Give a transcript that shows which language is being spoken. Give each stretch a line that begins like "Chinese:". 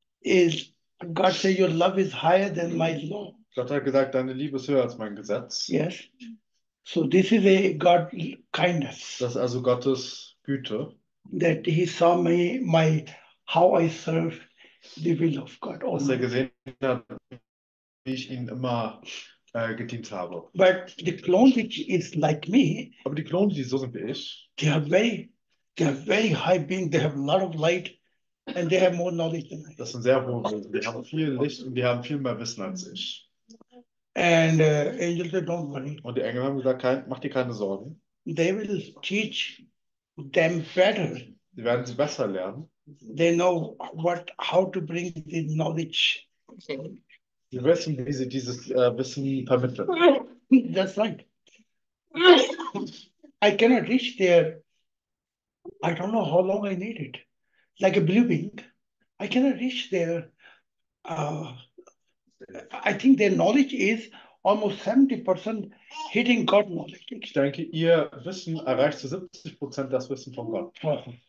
English: Is God say your love is higher than my law.
German: Gott hat gesagt, deine Liebe ist höher als mein Gesetz.
English: Yes. So this is a God kindness.
German: Das ist also Gottes Güte.
English: That he saw me, my, how I serve the will of God.
German: Dass er gesehen hat, wie ich ihn immer gedient habe.
English: But the clone which is like me.
German: Aber die Klone, die so sind wie ich.
English: They are very high being. They have a lot of light and they have more knowledge than I.
German: Das sind sehr hohe Wesen. Die haben viel Licht und die haben viel mehr Wissen als ich.
English: And angels said, don't worry.
German: Und die Engel haben gesagt, mach dir keine Sorgen.
English: They will teach them better.
German: Sie werden sie besser lernen.
English: They know what, how to bring the knowledge.
German: Sie wissen, wie sie dieses Wissen vermitteln.
English: That's right. I cannot reach there. I don't know how long I need it. Like a blue wing. I cannot reach there. I think their knowledge is almost 70% hitting God knowledge.
German: Ich denke, ihr Wissen erreicht zu 70% das Wissen von Gott.